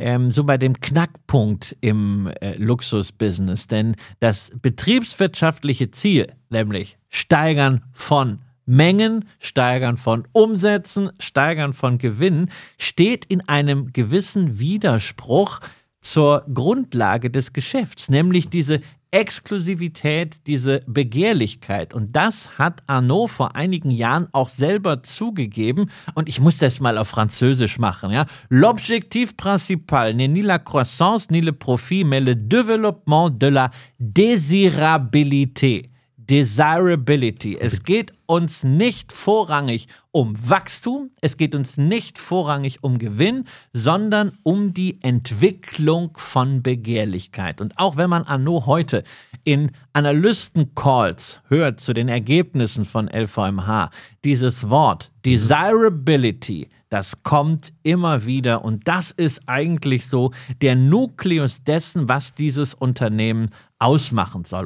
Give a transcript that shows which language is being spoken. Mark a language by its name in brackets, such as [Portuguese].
[German] so bei dem Knackpunkt im Luxusbusiness, denn das betriebswirtschaftliche Ziel, nämlich Steigern von Mengen, Steigern von Umsätzen, Steigern von Gewinnen, steht in einem gewissen Widerspruch zur Grundlage des Geschäfts, nämlich diese Exklusivität, diese Begehrlichkeit. Und das hat Arnaud vor einigen Jahren auch selber zugegeben. Und ich muss das mal auf Französisch machen. Ja? [French] L'objectif principal n'est ni la croissance, ni le profit, mais le développement de la désirabilité. [English] Desirability. [German] Es geht uns nicht vorrangig um Wachstum, es geht uns nicht vorrangig um Gewinn, sondern um die Entwicklung von Begehrlichkeit. Und auch wenn man Arnaud heute in Analysten-Calls hört zu den Ergebnissen von LVMH, dieses Wort Desirability, das kommt immer wieder und das ist eigentlich so der Nukleus dessen, was dieses Unternehmen ausmachen soll.